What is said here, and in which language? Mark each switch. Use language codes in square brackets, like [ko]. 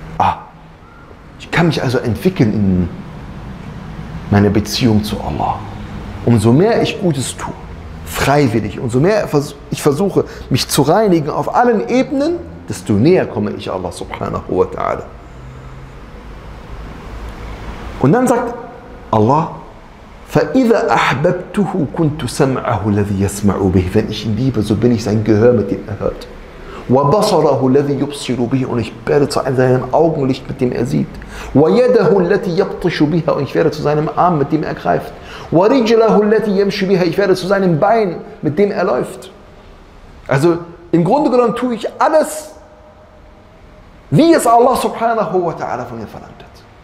[de] Ah, ich kann mich also entwickeln in meiner Beziehung zu Allah. Umso mehr ich Gutes tue, freiwillig, umso mehr ich versuche, mich zu reinigen auf allen Ebenen, desto näher komme ich Allah subhanahu wa ta'ala. Und dann sagt Allah, [ar] فَإِذَا أَحْبَبْتُهُ كُنْتُ سَمْعَهُ الَّذِي يَسْمَعُ بِهِ. [de] Wenn ich ihn liebe, so bin ich sein Gehör, mit dem er hört. [ar] وَبَصَرَهُ الَّذِي يُبْصِرُ بِهِ. [de] Und ich werde zu seinem Augenlicht, mit dem er sieht. [ar] وَيَدَهُ الَّتِي يَبْطِشُ بِهَا. [de] Und ich werde zu seinem Arm, mit dem er greift. [ar] وَرِجْلَهُ الَّتِي يَمْشِ بِهَا. [de] Ich werde zu seinem Bein, mit dem er läuft. Also im Grunde genommen tue ich alles, wie es Allah subhanahu wa ta'ala von mir verlangt hat.